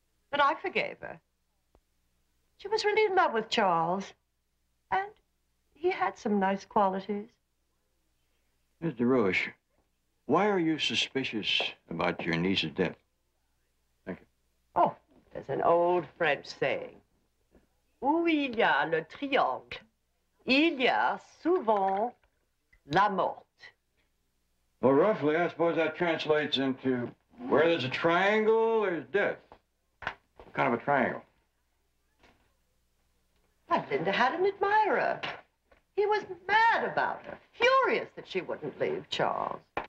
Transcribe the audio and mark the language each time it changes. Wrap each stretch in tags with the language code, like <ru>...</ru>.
<en>But I forgave her. She was really in love with Charles. And he had some nice qualities. Mr. Roche, why are you suspicious about your niece's death? Thank you. Oh, there's an old French saying.</en> <fr>Où il y a le triangle, il y a souvent la mort.</fr> <en>Well, roughly, I suppose that translates into where there's a triangle, there's death. What kind of a triangle? But Linda had an admirer. He was mad about her, furious that she wouldn't leave Charles.</en>